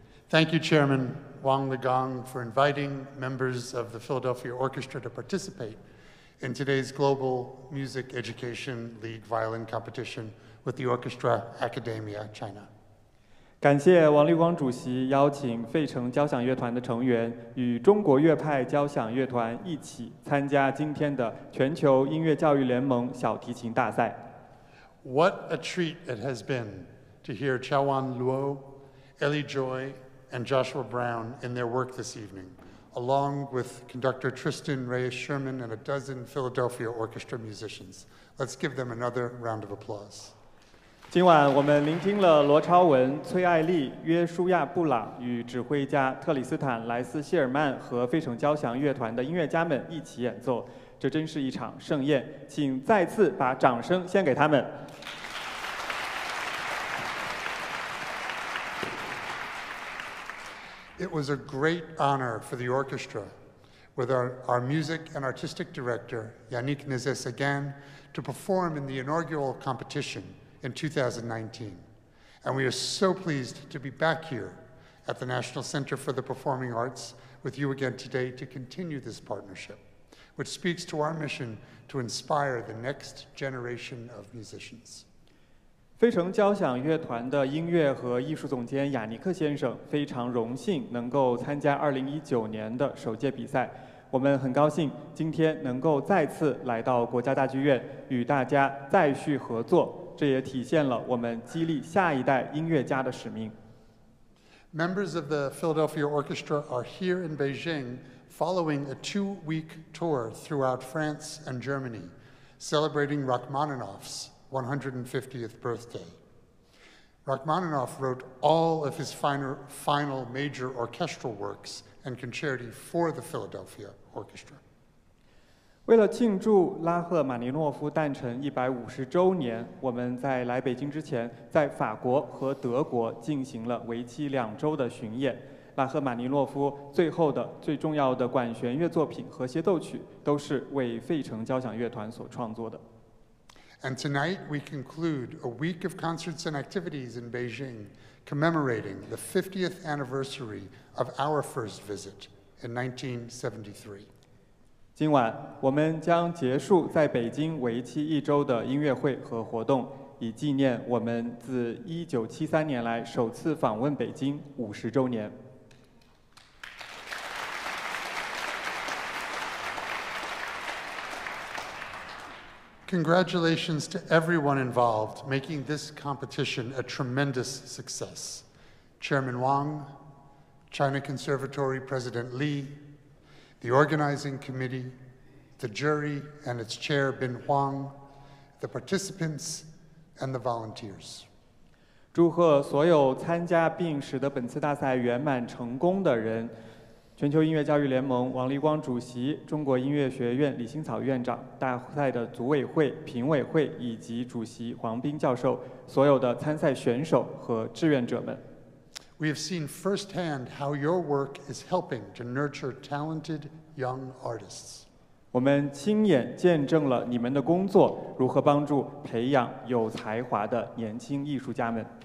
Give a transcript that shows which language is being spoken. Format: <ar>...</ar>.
<en>Thank you, Chairman Wang Ligang, for inviting members of the Philadelphia Orchestra to participate in today's Global Music Education League Violin Competition with the Orchestra Academia China.</en> <zh>感谢王立光主席邀请费城交响乐团的成员与中国乐派交响乐团一起参加今天的全球音乐教育联盟小提琴大赛。</zh> <en>What a treat it has been to hear Chaowan Luo,Ellie Joy and Joshua Brown in their work this evening, along with conductor Tristan Reyes Sherman and a dozen Philadelphia Orchestra musicians. Let's give them another round of applause.</en> <zh>今晚我们聆听了罗超文、崔艾丽、约书亚·布朗与指挥家特里斯坦·莱斯希尔曼和费城交响乐团的音乐家们一起演奏，这真是一场盛宴，请再次把掌声献给他们。</zh> <en>It was a great honor for the orchestra with our music and artistic director, Yannick Nezet-Séguin, to perform in the inaugural competition in 2019. And we are so pleased to be back here at the National Center for the Performing Arts with you again today to continue this partnership, which speaks to our mission to inspire the next generation of musicians.</en> <zh>费城交响乐团的音乐和艺术总监雅尼克先生非常荣幸能够参加2019年的首届比赛，我们很高兴今天能够再次来到国家大剧院与大家再续合作，这也体现了我们激励下一代音乐家的使命。</zh> <en>Members of the Philadelphia Orchestra are here in Beijing following a 2-week tour throughout France and Germany celebrating Rachmaninoff's150th birthday. Rachmaninoff wrote all of his final major orchestral works and concerti for the Philadelphia Orchestra.</en> <zh>为了庆祝拉赫玛尼诺夫诞辰150周年，我们在来北京之前在法国和德国进行了为期2周的巡演。拉赫玛尼诺夫最后的最重要的管弦乐作品和协奏曲都是为费城交响乐团所创作的。</zh> <en>And tonight we conclude a week of concerts and activities in Beijing commemorating the 50th anniversary of our first visit in 1973.</en> <zh>今晚我们将结束在北京为期一周的音乐会和活动，以纪念我们自1973年来首次访问北京50周年。</zh> <en>Congratulations to everyone involved making this competition a tremendous success. Chairman Wang, China Conservatory President Li, the organizing committee, the jury and its chair Bin Huang, the participants and the volunteers.</en> <zh>祝贺所有参加并使得本次大赛圆满成功的人，全球音乐教育联盟王立光主席、中国音乐学院李星草院长、大赛的组委会、评委会以及主席黄斌教授，所有的参赛选手和志愿者们。</zh> <en>We have seen firsthand how your work is helping to nurture talented young artists.</en> <zh>我们亲眼见证了你们的工作如何帮助培养有才华的年轻艺术家们。</zh>